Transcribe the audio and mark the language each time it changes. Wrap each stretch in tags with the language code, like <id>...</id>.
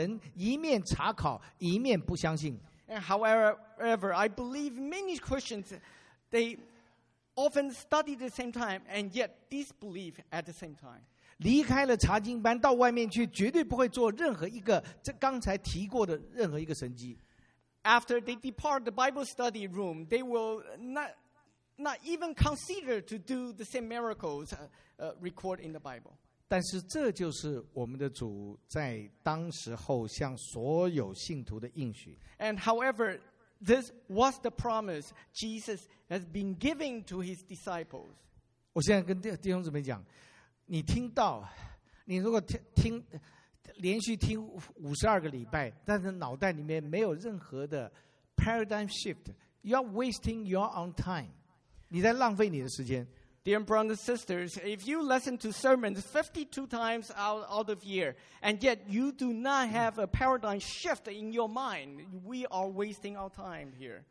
<zh>但是我相信这几段的圣经的经节有多少人一面查考一面不相信。</zh> <en>And however, I believe many Christians, they often study at the same time and yet disbelieve at the same time.</en> <zh>离开了查经班到外面去绝对不会做任何一个这刚才提过的任何一个神迹。</zh> <en>After they depart the Bible study room, they will not even consider to do the same miracles recorded in the Bible.</en> <zh>但是这就是我们的主在当时候向所有信徒的应许。</zh> <en>And however, this was the promise Jesus has been giving to his disciples.</en> <zh>我现在跟弟兄姊妹讲, 你听到, 你如果听, 连续听52个礼拜, 但是脑袋里面没有任何的</zh> <en>paradigm shift, you are wasting your own time.</en> <zh>你在浪费你的时间。</zh> <en>Dear brothers and sisters, if you listen to sermons 52 times out of year, and yet you do not have a paradigm shift in your mind, we are wasting our time here.</en>